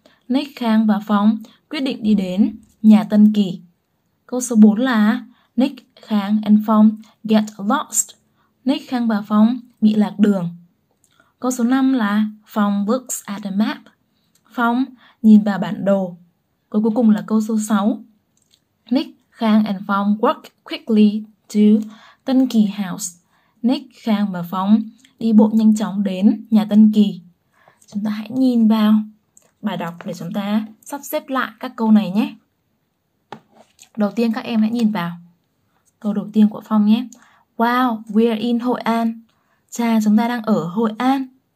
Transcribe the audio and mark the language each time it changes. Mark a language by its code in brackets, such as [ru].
[vi] Nick, Khang và Phong quyết định đi đến nhà Tân Kỳ. Câu số 4 là [en] Nick, Khang and Phong get lost. [vi] Nick, Khang và Phong bị lạc đường. Câu số 5 là [en] Phong looks at the map. [vi] Phong nhìn vào bản đồ. Câu cuối cùng là câu số 6. [en] Nick, Khang and Phong walk quickly to Tân Kỳ House. [vi] Nick, Khang và Phong đi bộ nhanh chóng đến nhà Tân Kỳ. Chúng ta hãy nhìn vào bài đọc để chúng ta sắp xếp lại các câu này nhé. Đầu tiên các em hãy nhìn vào câu đầu tiên của Phong nhé. [en] Wow, we're in Hội An. [vi] Cha, chúng ta đang ở Hội An.